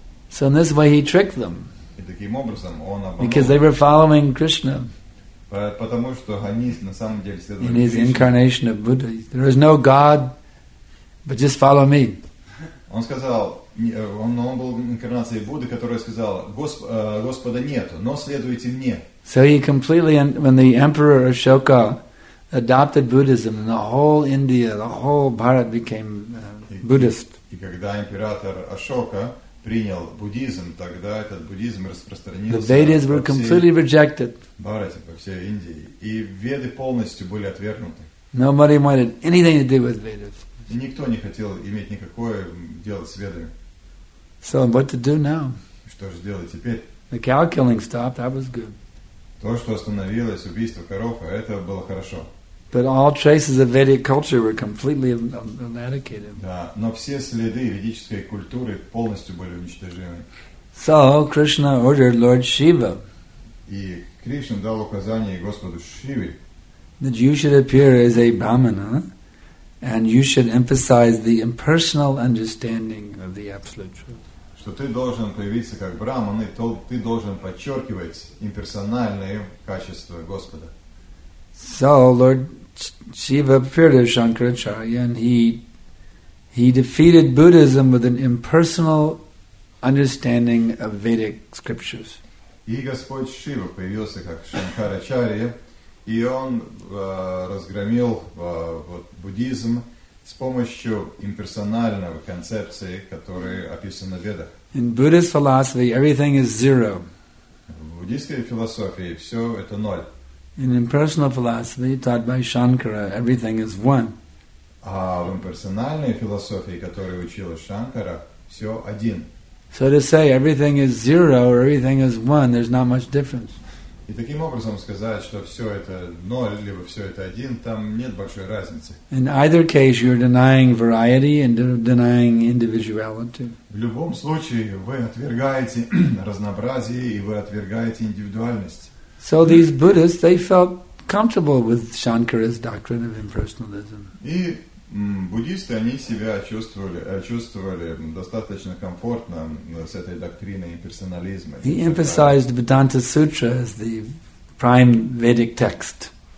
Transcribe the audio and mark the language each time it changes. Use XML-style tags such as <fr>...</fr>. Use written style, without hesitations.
<en>So in this way, he tricked them.</en> <ru>И таким образом он обманул.</ru> <en>Because they were following Krishna.</en> <ru>Потому что они на самом деле следовали.</ru> <en>In his incarnation of Buddha, there is no God, but just follow me.</en> <ru>Он сказал, он был инкарнацией Будды, которая сказала, Господа нету, но следуйте мне.</ru> <en>So he completely, when the emperor Ashoka adopted Buddhism, and the whole India, the whole Bharat became Buddhist.</en> <ru>И когда император Ашока принял буддизм, тогда этот буддизм распространился.</ru> <en>The Vedas were completely rejected.</en> <ru>Бхарате, по всей Индии, и Веды полностью были отвергнуты.</ru> <en>Nobody wanted anything to do with Vedas.</en> <ru>И никто не хотел иметь никакое дело с Ведами.</ru> <en>So what to do now?</en> <ru>Что же делать теперь?</ru> <en>The cow killing stopped. That was good.</en> <ru>То, что остановилось убийство коров, это было хорошо.</ru> <en>But all traces of Vedic culture were completely eradicated.</en> <ru>Да, но все следы ведической культуры полностью были уничтожены.</ru> <en>So Krishna ordered Lord Shiva.</en> <ru>И Кришна дал указание Господу Шиве.</ru> <en>That you should appear as a Brahmana, and you should emphasize the impersonal understanding of the Absolute Truth.</en> <ru>Что ты должен появиться как Брахман, и ты должен подчеркивать имперсональные качества Господа.</ru> <en>So Lord Shiva appeared as Shankaracharya, and he defeated Buddhism with an impersonal understanding of Vedic scriptures.</en> <ru>И Господь Шива появился как Шанкарачарья, и он разгромил буддизм с помощью имперсональной концепции, которая описана в Ведах.</ru> <en>In Buddhist philosophy, everything is zero.</en> <ru>В буддийской философии все это ноль.</ru> <en>In impersonal philosophy, taught by Shankara, everything is one.</en> <ru>А в имперсональной философии, которую учила Шанкара, все один.</ru> <en>So to say, everything is zero or everything is one, there's not much difference.</en> <ru>И таким образом сказать, что все это ноль, либо все это один, там нет большой разницы.</ru> <en>In either case, you're denying variety and denying individuality.</en> <ru>В любом случае, вы отвергаете разнообразие и вы отвергаете индивидуальность.</ru> <en>So these Buddhists, they felt comfortable with Shankara's doctrine of impersonalism.</en> <ru>И буддисты, они себя чувствовали достаточно комфортно с этой доктриной имперсонализма.</ru> <en>He emphasized Vedanta Sutra as the prime Vedic text.</en>